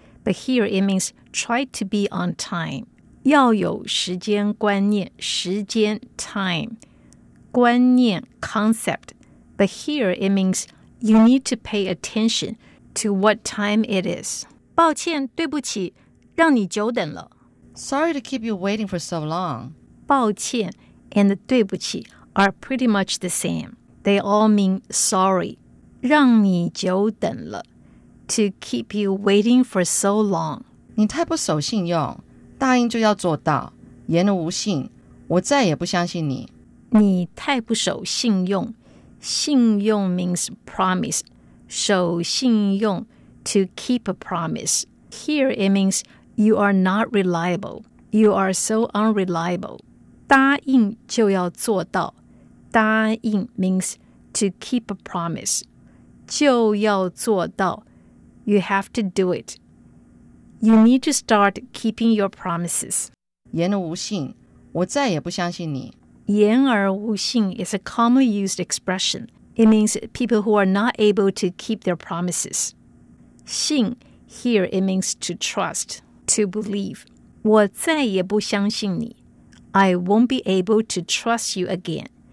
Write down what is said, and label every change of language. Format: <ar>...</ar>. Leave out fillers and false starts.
<en>But here it means try to be on time.</en> <zh>要有时间观念，时间 time.</zh> <en>观念 concept, but here it means you need to pay attention to what time it is.</en> <zh>抱歉，对不起，让你久等了。</zh> <en>Sorry to keep you waiting for so long. 抱歉 and 对不起 are pretty much the same. They all mean sorry.</en> <zh>让你久等了</zh> <en>to keep you waiting for so long.</en> <zh>你太不守信用，答应就要做到，言而无信，我再也不相信你。你太不守信用。信用</zh> <en>means promise. 守信用 to keep a promise. Here it means you are not reliable. You are so unreliable.</en> <zh>答应就要做到。</zh> <en>答应 means to keep a promise.</en> <zh>就要做到。</zh> <en>You have to do it. You need to start keeping your promises.</en> <zh>言而无信，我再也不相信你。</zh> <en>言而无信 is a commonly used expression. It means people who are not able to keep their promises. 信, here it means to trust, to believe.</en> <zh>我再也不相信你。</zh> <en>I won't be able to trust you again.</en>